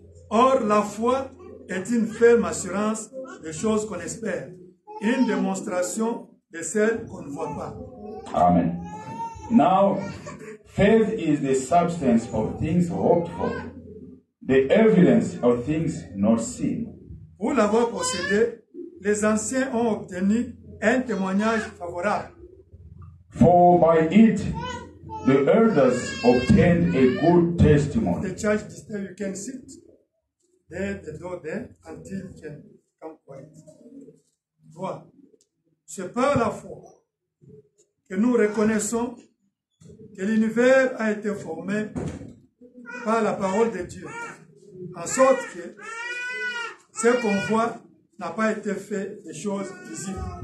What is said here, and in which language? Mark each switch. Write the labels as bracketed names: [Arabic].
[French] Or la foi est une ferme assurance des choses qu'on espère, une démonstration de celles qu'on ne voit pas. Amen. [English] Now, faith is the substance of things hoped for, the evidence of things not seen. [French] Pour l'avoir possédé, les anciens ont obtenu un témoignage favorable. [English] For by it, the elders obtained a good testimony. The church is there, you can sit there, the door there, until you can come quiet. [French] Voilà. C'est par la foi que nous reconnaissons que l'univers a été formé par la parole de Dieu, en sorte que ce qu'on voit n'a pas été fait des choses visibles.